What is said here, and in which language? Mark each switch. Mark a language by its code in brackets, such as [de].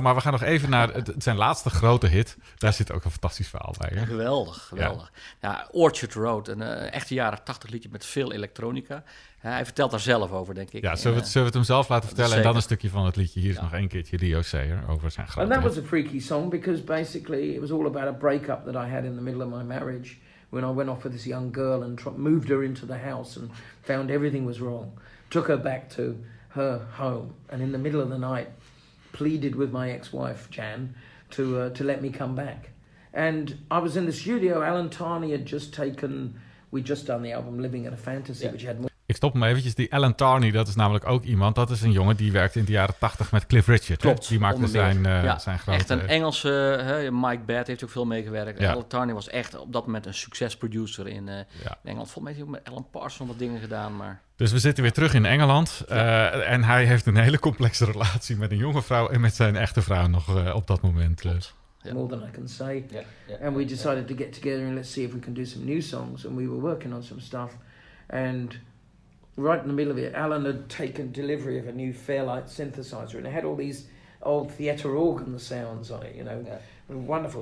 [nl] Maar we gaan nog even naar zijn laatste grote hit. Daar zit ook een fantastisch verhaal bij. Hè? Geweldig, geweldig. Ja. Ja, Orchard Road, een echte jaren 80 liedje met veel elektronica. Hij vertelt daar zelf over, denk ik. Ja, zullen we het hem zelf laten vertellen? Zeker. En dan een stukje van het liedje. Hier is nog een keertje Leo Sayer over zijn grote. [en] And that was a freaky song, because basically it was all about a breakup that I had in the middle of my marriage, when I went off with this young girl and moved her into the house and found everything was wrong. Took her back to her home and in the middle of the night pleaded with my ex-wife, Jan, to let me come back. And I was in the studio. Alan Tarney had just taken... We'd just done the album Living in a Fantasy, which had more... [nl] Ik stop hem eventjes. Die Alan Tarney, dat is namelijk ook iemand. Dat is een jongen die werkte in de jaren 80 met Cliff Richard. Klopt, die maakte zijn grote... Echt een Engelse... Mike Baird heeft ook veel meegewerkt. Ja. Alan Tarney was echt op dat moment een succesproducer in Engeland. Volgens mij heeft hij ook met Alan Parsons wat dingen gedaan, maar... Dus we zitten weer terug in Engeland. En hij heeft een hele complexe relatie met een jonge vrouw en met zijn echte vrouw nog op dat moment. Klopt. [en] More than I can say. Yeah. Yeah. And we decided to get together and let's see if we can do some new songs. And we were working on some stuff. And... Right in the middle of it, Alan had taken delivery of a new Fairlight synthesizer, and it had all these old theater organ sounds on it, you know, wonderful.